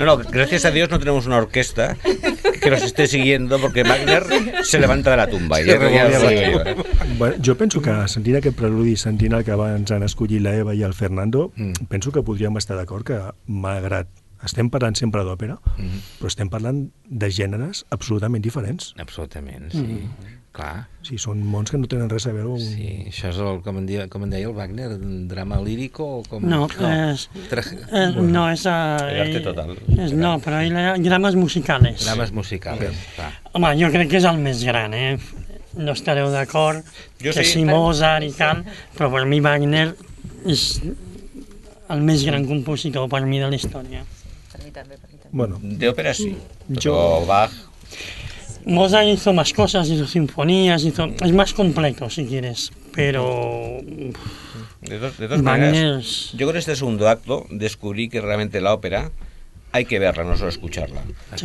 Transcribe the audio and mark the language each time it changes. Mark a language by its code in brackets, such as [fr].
[es] Gracias a Dios no tenemos una orquesta que nos esté siguiendo, porque Wagner se levanta de la tumba. Sí, sí. Sí. [ca] Bueno, jo penso que sentint aquest preludi, sentint el que abans han escollit la Eva i el Fernando, penso que podríem estar d'acord que, malgrat estem parlant sempre d'òpera, però estem parlant de gèneres absolutament diferents. Absolutament, sí. Clar. Sí, són mons que no tenen res a veure. Un... Sí, això és el, com en deia el Wagner, un drama líric o com... No, no. No és... L'arte total. És, no, però hi ha drames musicales. Drames musicales, sí. Home, jo crec que és el més gran, eh? No estareu d'acord que sí, si Mozart i tal, però per mi Wagner és el més gran compositor per mi de la història. Bueno, d'òpera sí, però jo... Bach... [es] Mozart hizo más cosas, hizo sinfonías, hizo... Es más completo, si quieres, pero... De dos maneras, yo con este segundo acto descubrí que realmente la ópera hay que verla, no solo escucharla. Sí.